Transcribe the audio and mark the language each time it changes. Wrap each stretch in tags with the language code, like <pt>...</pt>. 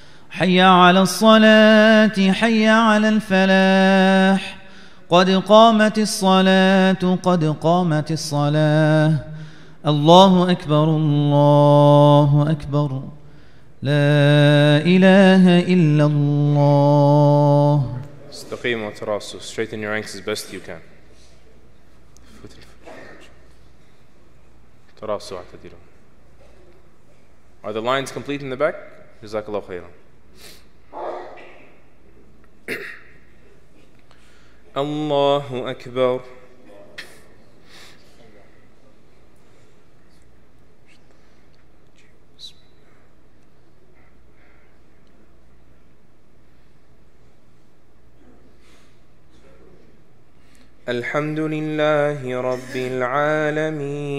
<ar>حي على الصلاة حي على الفلاح قد قامت الصلاة قد قامت الصلاة الله أكبر الله أكبر لا إله إلا الله استقيم وتراصوا</ar> <en>straighten your ranks as best you can</en> <ar>تراصوا اعتدلوا</ar> <en>are the lines complete in the back?</en> <ar>جزاك الله خيرا الله أكبر الحمد لله رب العالمين</ar>